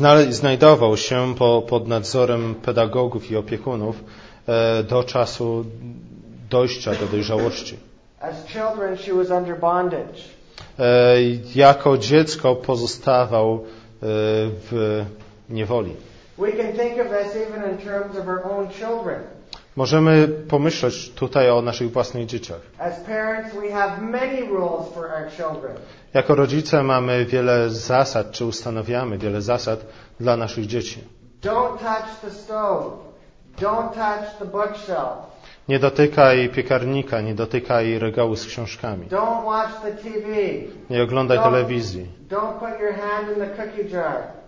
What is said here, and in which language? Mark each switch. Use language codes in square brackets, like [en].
[pl] Znajdował się pod nadzorem pedagogów i opiekunów do czasu dojścia do dojrzałości. [en] As children, she was under bondage. [pl] Jako dziecko pozostawał w niewoli. [en] We can think of this even in terms of our own children. [pl] Możemy pomyśleć tutaj o naszych własnych dzieciach. [en] As parents, we have many rules for our children. [pl] Jako rodzice mamy wiele zasad, czy ustanawiamy wiele zasad dla naszych dzieci. [en] Don't touch the stove. Don't touch the bookshelf. [pl] Nie dotykaj piekarnika, nie dotykaj regału z książkami. [en] Don't watch the TV. [pl] Nie oglądaj telewizji. [en] Don't put your hand in the cookie jar.